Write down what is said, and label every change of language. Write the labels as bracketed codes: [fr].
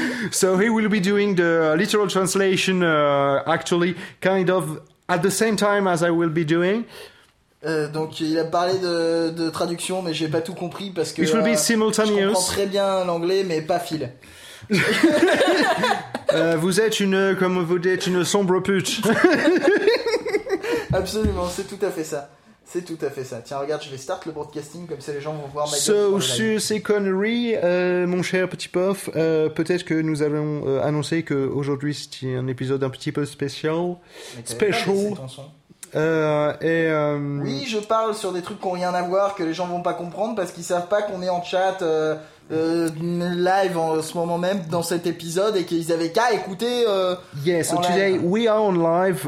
[en] So he will be doing the literal translation actually kind of at the same time as I will be doing. [fr] Donc il a parlé de traduction mais j'ai pas tout compris parce que [en] it will be simultaneous. [fr] Je comprends très bien l'anglais mais pas Phil. Vous êtes une, comme vous dites, une sombre pute. Absolument, c'est tout à fait ça. C'est tout à fait ça. Tiens, regarde, je vais start le broadcasting, comme ça les gens vont voir ma gueule. So, sur ces conneries, mon cher petit pof, peut-être que nous allons annoncer qu'aujourd'hui, c'était un épisode un petit peu spécial. Spécial. Oui, je parle sur des trucs qui n'ont rien à voir, que les gens ne vont pas comprendre, parce qu'ils ne savent pas qu'on est en chat live en ce moment même dans cet épisode et qu'ils avaient qu'à écouter. [en] Yeah, so today we are on live.